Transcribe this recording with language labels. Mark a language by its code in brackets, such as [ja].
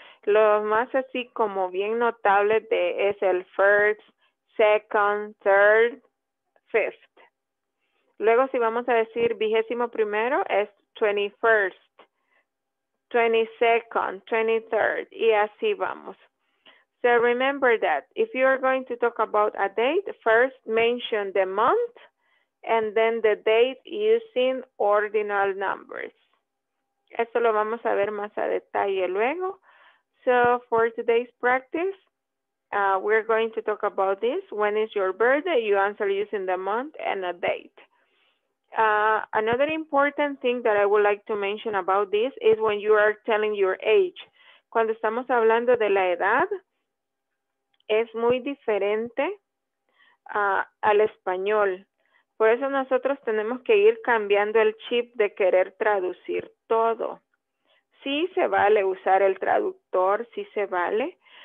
[es] Los más así como bien notables de es el [en] first, second, third, fifth. [es] Luego, si vamos a decir vigésimo primero, es 21st, 22nd, 23rd, y así vamos. [en] So remember that if you are going to talk about a date, first mention the month and then the date using ordinal numbers. [es] Eso lo vamos a ver más a detalle luego. [en] So for today's practice, we're going to talk about this. When is your birthday? You answer using the month and a date. Another important thing that I would like to mention about this is when you are telling your age. [es] Cuando estamos hablando de la edad, es muy diferente al español. Por eso nosotros tenemos que ir cambiando el chip de querer traducir todo. Sí se vale usar el traductor, sí se vale.